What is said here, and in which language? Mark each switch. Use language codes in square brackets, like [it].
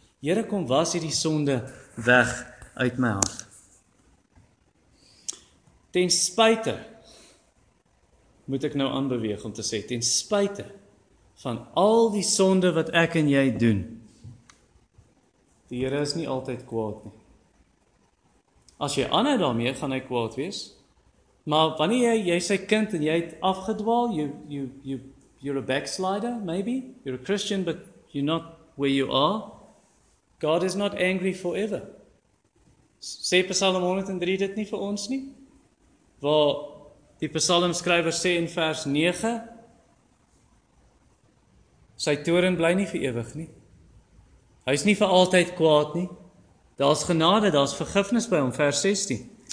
[af] Here kom was hierdie sonde weg uit my hart. Ten spyte, moet ek nou aanbeweeg om te sê, ten spyte, van al die sonde wat ek en jy doen, die Here is nie altyd kwaad nie. as jy aanhou daarmee, gaan hy kwaad wees. Maar wanneer jy sy kind en jy het afgedwaal, [en] you're a backslider, maybe. You're a Christian, but you're not where you are. God is not angry forever. [af] Sê Psalm 103 dit nie vir ons nie? Waar die Psalm skrywer sê in vers 9, sy toren bly nie vir ewig nie. Hy is nie vir altyd kwaad nie. Daar is genade, daar is vergifnis by hom, vers 16.